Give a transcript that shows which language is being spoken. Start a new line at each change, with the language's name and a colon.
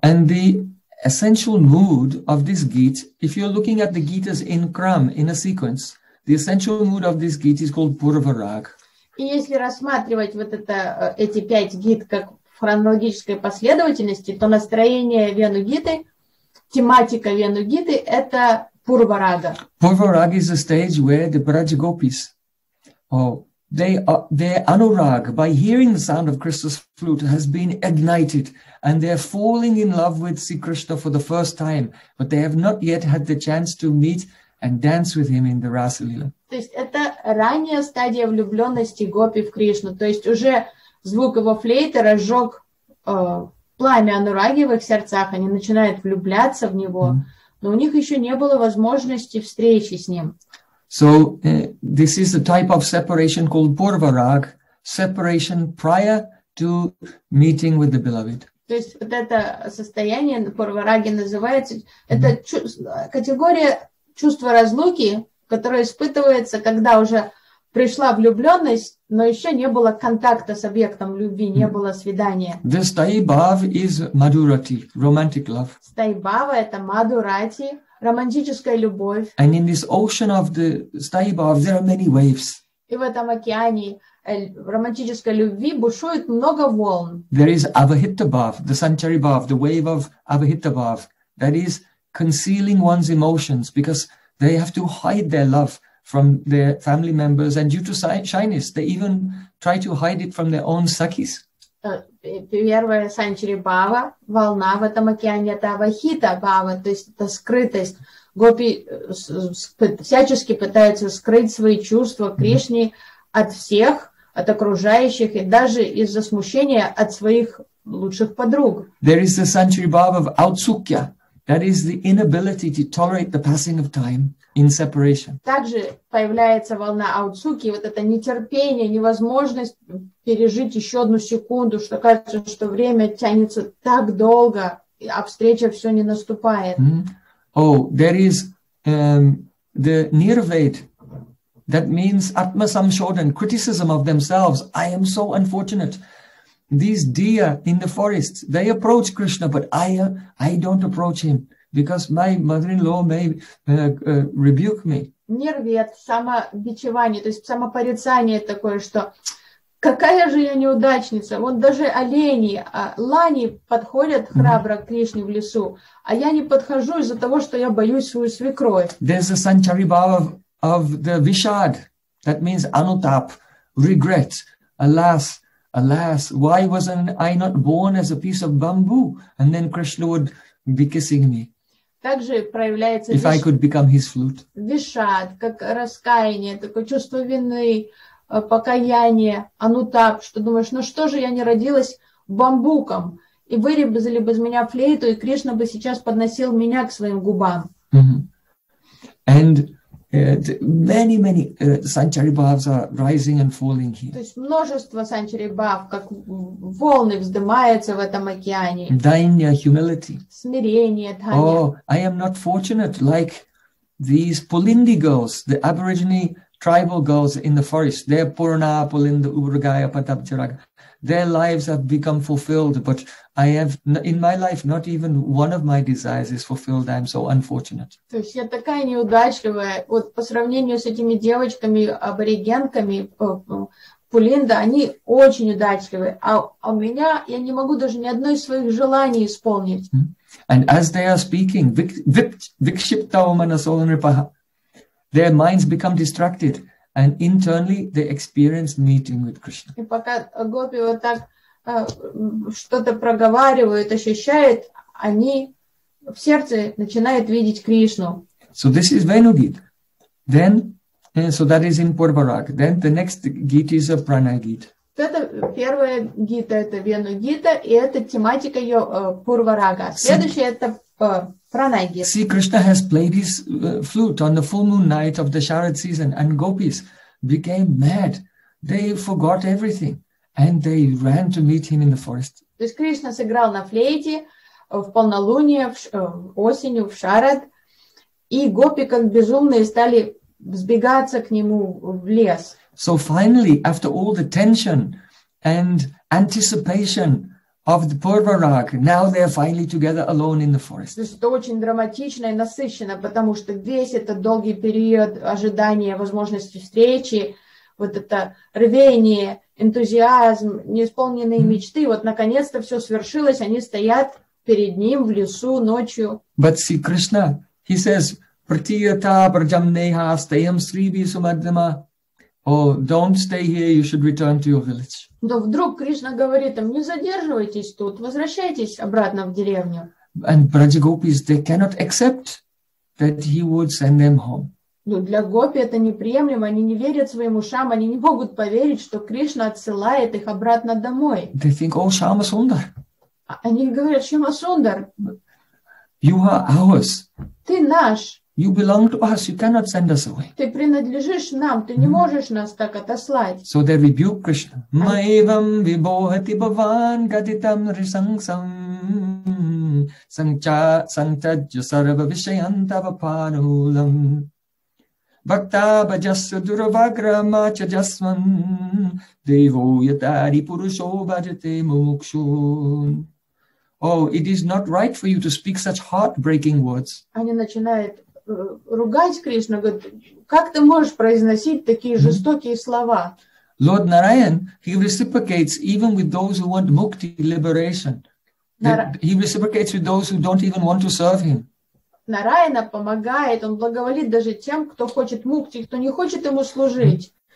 English: And the essential mood of this Git, if you're looking at the Gitas in Kram, in a sequence, the essential mood of this Git is called Purva Rag.
Russian: И если рассматривать вот эти пять Гит как в хронологической последовательности, то настроение Venu Gita тематика Венугиты – это Пурварага.
English: Пурварага is a stage where the Браджагопис, their anurag by hearing the sound of Krishna's flute has been ignited, and they're falling in love with Sri Krishna for the first time, but they have not yet had the chance to meet and dance with him in the Rasa Lila.
Russian: То есть это ранняя стадия влюбленности гопи в Кришну. То есть уже звук его флейты разжег пламя анураги в их сердцах. Они начинают влюбляться в него, но у них еще не было возможности встречи с ним.
English: So this is a type of separation called purvarag, separation prior to meeting with the beloved.
Russian: То есть вот это состояние пурвараги называется, это категория чувства разлуки, которое испытывается, когда уже пришла влюбленность, но еще не было контакта с объектом любви, не было свидания.
English: The stai bhav is madurati, romantic love.
Russian: Stai bhava – это madurati, романтическая любовь.
English: And in this ocean of the stai bhav, there are many waves.
Russian: И в этом океане романтической любви бушует много волн.
English: There is avahita bhav, the sanchari bhav, the wave of avahita bhav. That is concealing one's emotions because they have to hide their love from their family members, and due to shyness, they even try to hide it from their own sakis.
Russian: Первая санчари бава, волна в этом океане, это авахита бава, то есть это скрытость. Гопи всячески пытаются скрыть свои чувства Кришне от всех, от окружающих, и даже из-за смущения от своих лучших подруг.
English: There is the sanchari bava of outsukya. That is the inability to tolerate the passing of time in separation.
Russian: Также появляется волна аутсуки, вот это нетерпение, невозможность пережить еще одну секунду, что кажется, что время тянется так долго, а встреча все не наступает.
English: Oh, there is the nirveda. That means atma samshodan, criticism of themselves. I am so unfortunate. These deer in the forest, they approach Krishna, but I don't approach him because my mother-in-law may rebuke me.
Russian: Нирвед, самобичевание, то есть самопорицание такое, что какая же я неудачница. Вот даже олени, лани подходят храбро к Кришне в лесу, а я не подхожу из-за того, что я боюсь свою свекровь.
English: There's a sanchari bhava of the vishad. That means anutap, regret, alas. Alas, why wasn't I not born as a piece of bamboo? And then Krishna would be kissing me.
Russian: Также проявляется
English: if I could become his flute.
Russian: Вишад, как раскаяние, такое чувство вины, покаяние, анутап, что думаешь, ну что же я не родилась бамбуком? И вырезали бы из меня флейту, и Кришна бы сейчас подносил меня к своим губам. Mm-hmm.
English: And many sanchari bhavs are rising and falling here.
Russian: То есть множество sanchari bhav, как волны вздымаются в этом океане.
English: Dainya, humility.
Russian: Смирение, dhanya.
English: Oh, I am not fortunate like these Pulindi girls, the aborigine tribal girls in the forest. They're
Sanskrit: Purana, Pulinda, Ubragaya, Patapcharaga.
English: Their lives have become fulfilled, but I have in my life not even one of my desires is fulfilled. I'm so unfortunate.
Russian: То есть я такая неудачливая. Вот по сравнению с этими девочками аборигенками Пулинда, они очень удачливые, а у меня я не могу даже ни одной из своих желаний исполнить.
English: And as they are speaking,
Sanskrit: vikshiptau manaso nripaha,
English: their minds become distracted. And internally, they experience meeting with Krishna.
Russian: И пока гопи вот так что-то проговаривают, ощущают, они в сердце начинают видеть Кришну.
English: So this is Venugita. Then, so that is in Purvarag. Then the next gita is a Pranayagita.
Russian: Это первая гита, это Венугита, и это тематика ее Пурварага. Следующая это
English: See, Krishna has played his flute on the full moon night of the Sharad season, and gopis became mad. They forgot everything, and they ran to meet him in the forest.
Russian: То есть Кришна сыграл на флейте в полнолуние, осенью, в Шарад, и гопи, как безумные, стали сбегаться к нему в лес.
English: So finally, after all the tension and anticipation of the Purvarag, now they are finally together alone in the forest.
Russian: Это очень драматично и насыщенно, потому что весь этот долгий период ожидания возможности встречи, вот это рвение, энтузиазм, неисполненные мечты, вот наконец-то все свершилось, они стоят перед ним в лесу ночью.
English: But see, Krishna, he says,
Sanskrit: Pratiyata Prajamneha Stayam Sri Bisumadama.
English: Oh, don't stay here, you should return to your village.
Russian: Да вдруг Кришна говорит им, не задерживайтесь тут, возвращайтесь обратно в деревню.
English: And Brajagopis, they cannot accept that he would send them home.
Russian: Ну, для гопи это неприемлемо, они не верят своим ушам, они не могут поверить, что Кришна отсылает их обратно домой.
English: They think, oh, Shama Sundar.
Russian: Они говорят, Shama Sundar.
English: You are ours.
Russian: Ты наш.
English: You belong to us, you cannot send us away.
Russian: Ты принадлежишь нам, ты не можешь нас так отослать.
English: So they rebuke Krishna.
Sanskrit: Maivam vibohati bhavan gaditam risangsam sanchajya sarva vishayantava panulam Bhakta bhajasya duravagra macha jasvan Devo yatari purusho bhajate mumukshun.
English: Oh, it is not right for you to speak such heartbreaking words.
Russian: Они начинают ругать Кришну, говорят, как ты можешь произносить такие жестокие слова?
English: Lord Narayan, he reciprocates even with those who want mukti, liberation. He reciprocates with those who don't even want to serve him.
Russian: Нараяна помогает, он благоволит даже тем, кто хочет мукти, кто не хочет ему служить.